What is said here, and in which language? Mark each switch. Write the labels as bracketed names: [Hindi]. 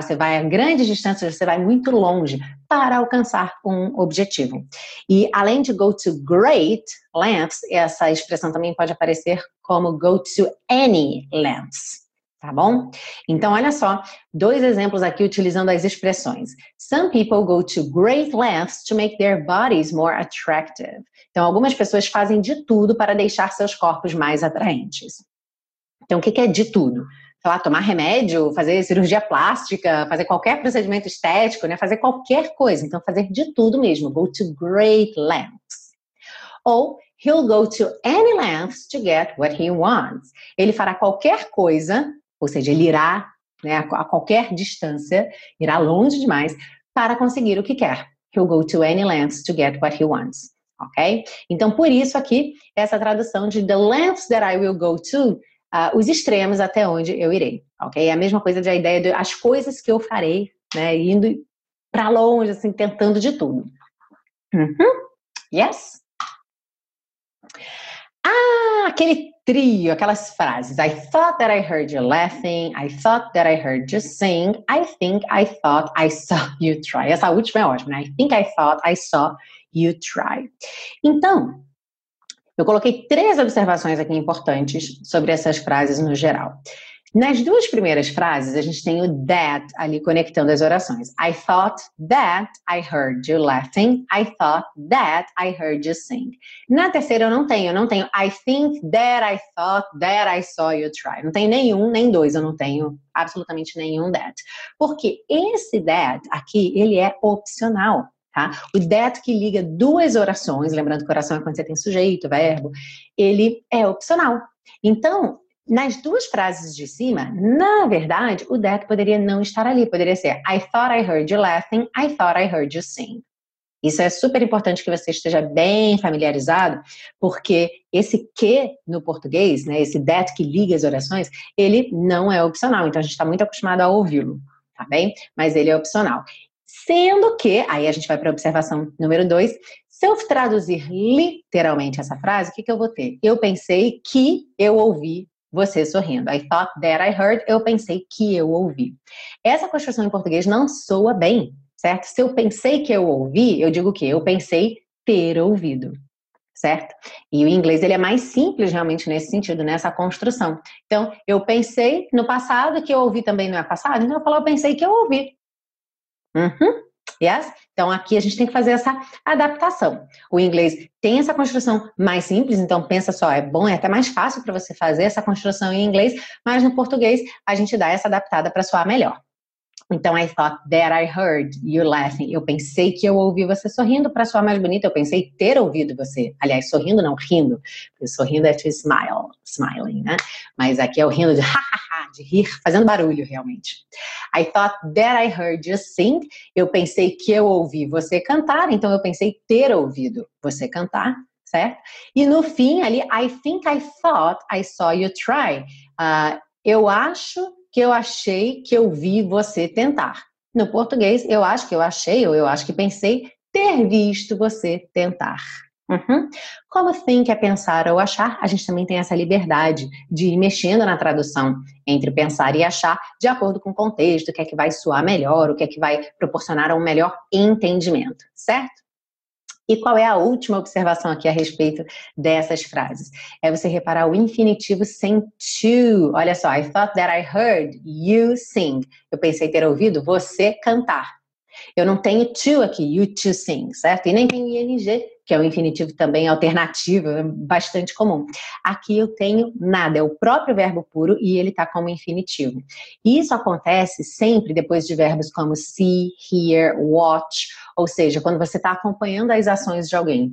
[Portuguese] Você vai a grandes distâncias, você vai muito longe para alcançar um objetivo. E além de go to great lengths, essa expressão também pode aparecer como [English] go to any lengths, [Portuguese] tá bom? Então, olha só, dois exemplos aqui utilizando as expressões. [English] Some people go to great lengths to make their bodies more attractive. [Portuguese] Então, algumas pessoas fazem de tudo para deixar seus corpos mais atraentes. Então, o que é de tudo? Sei lá, tomar remédio, fazer cirurgia plástica, fazer qualquer procedimento estético, né? Fazer qualquer coisa. Então, fazer de tudo mesmo. [English] Go to great lengths. Ou, he'll go to any lengths to get what he wants. [Portuguese] Ele fará qualquer coisa, ou seja, ele irá, né, a qualquer distância, irá longe demais, para conseguir o que quer. [English] He'll go to any lengths to get what he wants. Ok? [Portuguese] Então, por isso aqui, essa tradução de [English] the lengths that I will go to, [Portuguese] os extremos até onde eu irei. Ok? É a mesma coisa da ideia das coisas que eu farei, né, indo para longe, assim, tentando de tudo. Uh-huh. Yes? Ah, aquele trio, aquelas frases. [English] I thought that I heard you laughing. I thought that I heard you sing. I think I thought I saw you try. [Portuguese] Essa última é ótima, né? [English] I think I thought I saw you try. [Portuguese] Então, eu coloquei três observações aqui importantes sobre essas frases no geral. Nas duas primeiras frases, a gente tem o that ali conectando as orações. [English] I thought that I heard you laughing. I thought that I heard you sing. [Portuguese] Na terceira, eu não tenho. [English] I think that I thought that I saw you try. [Portuguese] Não tenho nenhum, nem dois, eu não tenho absolutamente nenhum that. Porque esse that aqui, ele é opcional. Tá? O that que liga duas orações, lembrando que oração é quando você tem sujeito, verbo, ele é opcional. Então, nas duas frases de cima, na verdade, o that poderia não estar ali. Poderia ser, [English] I thought I heard you laughing, I thought I heard you sing. [Portuguese] Isso é super importante que você esteja bem familiarizado, porque esse que no português, né, esse that que liga as orações, ele não é opcional. Então, a gente está muito acostumado a ouvi-lo, tá bem? Mas ele é opcional. Sendo que, aí a gente vai para a observação número 2, se eu traduzir literalmente essa frase, o que eu vou ter? Eu pensei que eu ouvi você sorrindo. [English] I thought that I heard, [Portuguese] eu pensei que eu ouvi. Essa construção em português não soa bem, certo? Se eu pensei que eu ouvi, eu digo o quê? Eu pensei ter ouvido, certo? E o inglês, ele é mais simples realmente nesse sentido, nessa construção. Então, eu pensei no passado, que eu ouvi também não é passado, então eu falo, eu pensei que eu ouvi. Uhum. Yes? Então, aqui a gente tem que fazer essa adaptação. O inglês tem essa construção mais simples, então pensa só, é bom, é até mais fácil para você fazer essa construção em inglês, mas no português a gente dá essa adaptada para soar melhor. [English] Então, I thought that I heard you laughing. [Portuguese] Eu pensei que eu ouvi você sorrindo para soar mais bonito. Eu pensei ter ouvido você. Aliás, sorrindo não, rindo. Porque sorrindo é to smile, smiling, né? Mas aqui é o rindo de ha, ha, ha, de rir, fazendo barulho, realmente. [English] I thought that I heard you sing. [Portuguese] Eu pensei que eu ouvi você cantar, então eu pensei ter ouvido você cantar, certo? E no fim, ali, [English] I think I thought I saw you try. [Portuguese] Eu acho que eu achei que eu vi você tentar. No português, eu acho que eu achei, ou eu acho que pensei, ter visto você tentar. Uhum. Como think é pensar ou achar, a gente também tem essa liberdade de ir mexendo na tradução entre pensar e achar, de acordo com o contexto, o que é que vai soar melhor, o que é que vai proporcionar um melhor entendimento, certo? E qual é a última observação aqui a respeito dessas frases? É você reparar o infinitivo sem to. Olha só, [English] I thought that I heard you sing. [Portuguese] Eu pensei ter ouvido você cantar. Eu não tenho to aqui, [English] you to sing, [Portuguese] certo? E nem tenho ing, que é um infinitivo também alternativo, bastante comum. Aqui eu tenho nada, é o próprio verbo puro e ele está como infinitivo. E isso acontece sempre depois de verbos como see, hear, watch, ou seja, quando você está acompanhando as ações de alguém.